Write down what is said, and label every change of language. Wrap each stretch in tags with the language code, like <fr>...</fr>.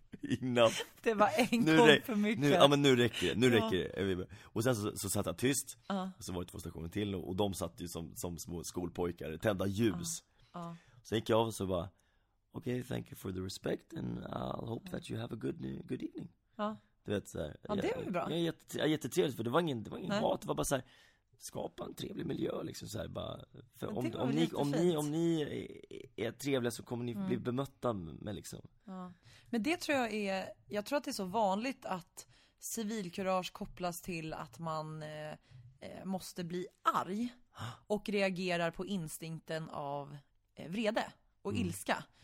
<sv>Innan. Det var en gång för mycket. Nu räcker det. Och sen så satt han tyst. Uh-huh. Så var det två stationer till. Och de satt ju som små skolpojkar. Tända ljus. Uh-huh. Så gick jag av och så bara, okej, okay, thank you for the respect.</sv> <en>And I'll hope that you have a good evening. Uh-huh.</en> <sv>Du vet, så här, ja, det var ju bra. Jag är jättetrevligt, för det var ingen mat. Det var bara så här. Skapa en trevlig miljö liksom, så här, bara, för om ni är trevliga så kommer ni bli bemötta med liksom. Ja. Men det tror jag är, jag tror att det är så vanligt att civilkurage kopplas till att man måste bli arg och reagerar på instinkten av vrede och ilska.</sv>